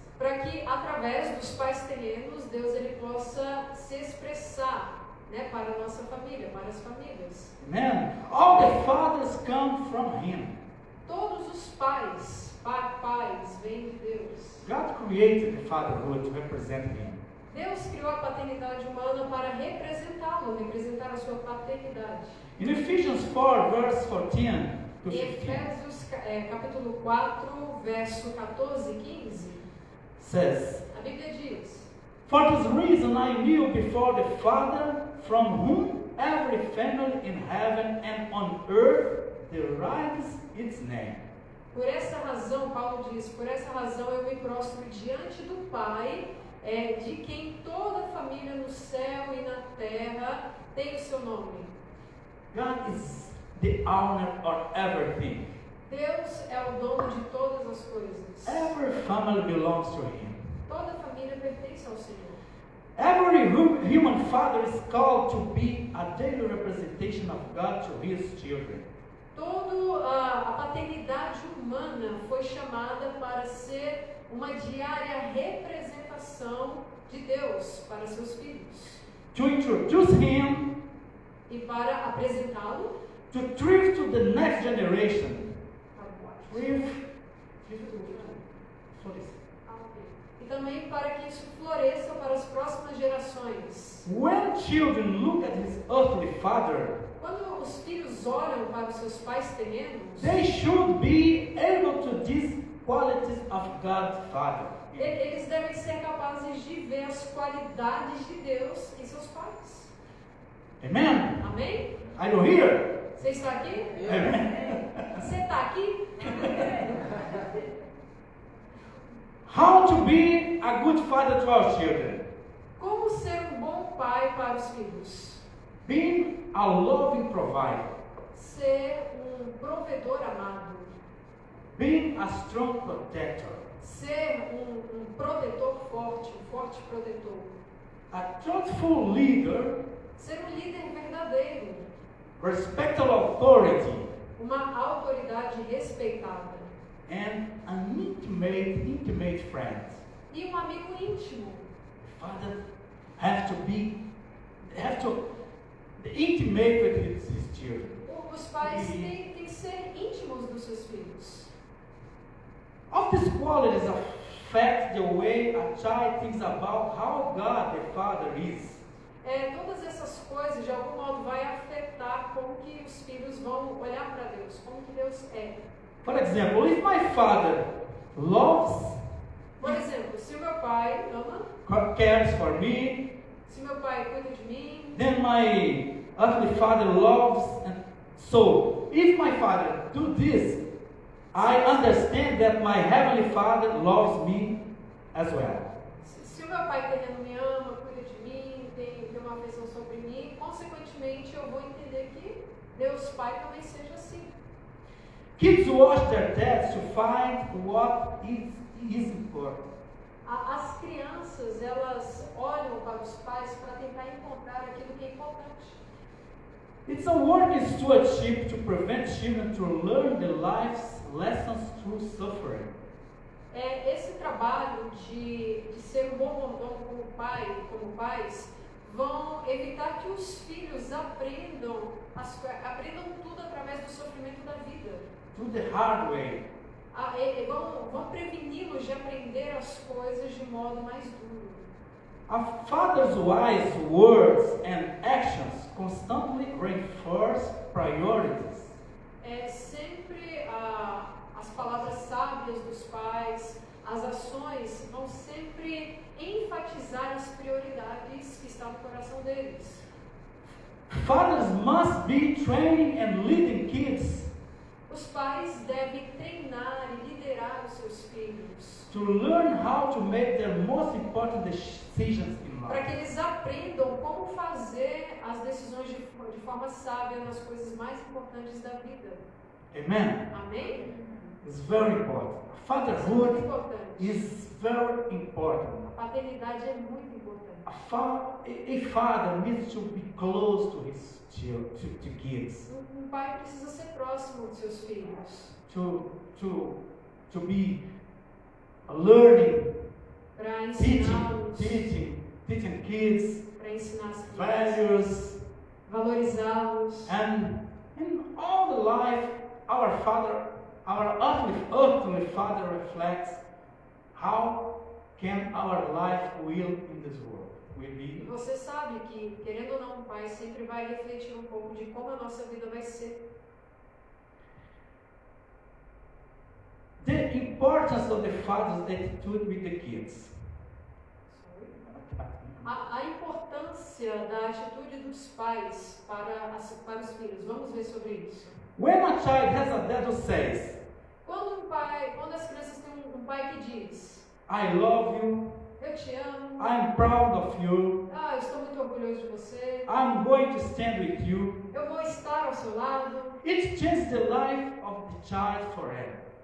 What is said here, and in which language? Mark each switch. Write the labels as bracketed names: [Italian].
[Portuguese] Para que através dos pais terrenos Deus ele possa se expressar. Né, para a nossa família, para as famílias. [English] Amen. All the fathers come from Him. [Portuguese] Todos os pais, pais, vêm de Deus. [English] God created the fatherhood to represent Him. [Portuguese] Deus criou a paternidade humana para representá-lo, representar a sua paternidade. [English] In Ephesians 4, verse 14 to 15. [Portuguese] Efésios capítulo 4, verso 14 e 15. [English] Says. [Portuguese] A Bíblia diz. [English] For this reason I kneel before the Father, from whom every family in heaven and on earth derives its name. [Portuguese] Por essa razão, Paulo diz, por essa razão eu me prostro diante do Pai, de quem toda a família no céu e na terra tem o seu nome. [English] God is the owner of everything. [Portuguese] Deus é o dono de todas as coisas. [English] Every family belongs to Him. [Portuguese] Toda a família pertence ao Senhor. [English] Every human father is called to be a daily representation of God to his children. [Portuguese] Toda a paternidade humana foi chamada para ser uma diária representação de Deus para seus filhos. [English] To introduce him. [Portuguese] E para apresentá-lo. [English] To thrive to the next generation. Thrive. Thrive. [Portuguese] E também para que isso floresça para as próximas gerações. [English] When children look at his earthly father, [Portuguese] quando os filhos olham para os seus pais terrenos, [English] they should be able to these qualities of God's father. [Portuguese] Eles devem ser capazes de ver as qualidades de Deus em seus pais. [English] Amen. [Portuguese] Amém. [English] Are you here? [Portuguese] Você está aqui? [English] Amen. [Portuguese] Você está aqui? [English] How to be a good father to our children? [Portuguese] Como ser um bom pai para os filhos? [English] Being a loving provider. [Portuguese] Ser um provedor amado. [English] Being a strong protector. [Portuguese] Ser um protetor forte, um forte protetor. [English] A truthful leader. [Portuguese] Ser um líder verdadeiro. [English] Respectful authority. [Portuguese] Uma autoridade respeitada. [English] And an intimate friend. [Portuguese] E um amigo íntimo. [English] Father have to be intimate with his children. [Portuguese] Os pais têm que ser íntimos dos seus filhos. [English] Of these qualities affect the way a child thinks about how God the Father is. [Portuguese] É, todas essas coisas de algum modo vai afetar como que os filhos vão olhar para Deus, como que Deus é. [English] For example, if my father loves, [Portuguese] por exemplo, se meu pai ama, [English] cares for me, [Portuguese] se meu pai cuida de mim, [English] then my earthly father loves. And so, if my father do this, I understand that my heavenly father loves me as well. [Portuguese] Se meu pai terreno me ama, cuida de mim, tem uma bênção sobre mim, consequentemente eu vou entender que Deus Pai também seja assim. [English] Kids watch their dads to find what is important. [Portuguese] As crianças, elas olham para os pais para tentar encontrar aquilo que é importante. [English] It's a work in stewardship to prevent children to learn the life's lessons through suffering. [Portuguese] É esse trabalho de ser um bom mordomo como pais vão evitar que os filhos aprendam tudo através do sofrimento da vida. [English] Through the hard way. [Portuguese] Vão preveni-los de aprender as coisas de modo mais duro. [English] A father's wise words and actions constantly reinforce priorities. [Portuguese] É sempre as palavras sábias dos pais, as ações vão sempre enfatizar as prioridades que estão no coração deles. [English] Fathers must be training and leading kids. [Portuguese] Os pais devem treinar e liderar os seus filhos. [English] To learn how to make their most important decisions in life. [Portuguese] Para que eles aprendam como fazer as decisões de forma sábia nas coisas mais importantes da vida. [English] Amen. [Portuguese] Amém. [English] It's very important. Fatherhood is very important. [Portuguese] A paternidade é muito importante. [English] A father needs to be close to his to kids. [Portuguese] Um pai precisa ser próximo de seus filhos. [English] To be learning, teaching kids, [Portuguese] para ensinar as [English] values, [Portuguese] valorizá-los. [English] And in all the life, our earthly father reflects how can our life will in this world. [Portuguese] Você sabe que, querendo ou não, o pai sempre vai refletir um pouco de como a nossa vida vai ser. [English] The importance of the father's attitude with the kids. [Portuguese] A importância da atitude dos pais para os filhos. Vamos ver sobre isso. [English] When a child has a dad who says, [Portuguese] quando as crianças têm um pai que diz, [English] I love you. [Portuguese] Eu te amo. [English] I'm proud of you. [Portuguese] Ah, estou muito orgulhoso de você. [English] I'm going to stand with you. [Portuguese] Eu vou estar ao seu lado. [English] It changes the life of the child forever.